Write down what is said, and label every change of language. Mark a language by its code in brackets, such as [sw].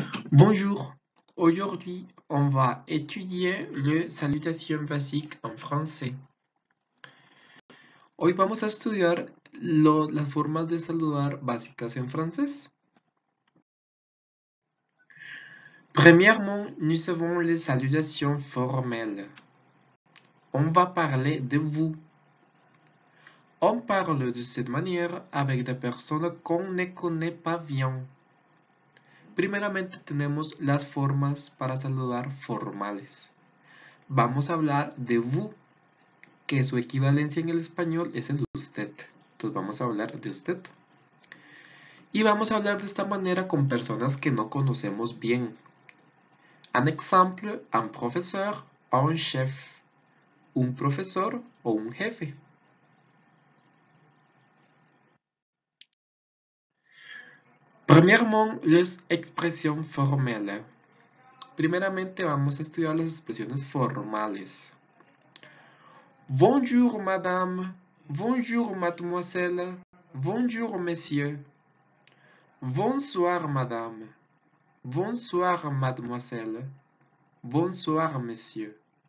[fr] Bonjour, aujourd'hui on va étudier le salutación basique en français. [es] Hoy vamos a estudiar las formas de saludar básicas en francés. [fr] Premièrement, nous avons les salutations formelles. On va parler de vous. On parle de cette manière avec des personnes qu'on ne connaît pas bien. [es] Primeramente tenemos las formas para saludar formales. Vamos a hablar de vous, que su equivalencia en el español es el usted. Entonces vamos a hablar de usted. Y vamos a hablar de esta manera con personas que no conocemos bien. [fr] Un exemple, un professeur, un chef, [es] un profesor o un jefe. [fr] Premièrement, les expressions formelles. [es] Primeramente, vamos a estudiar las expresiones formales. [fr] Bonjour, madame. Bonjour, mademoiselle. Bonjour, monsieur. Bonsoir, madame. Bonsoir, mademoiselle. Bonsoir, monsieur.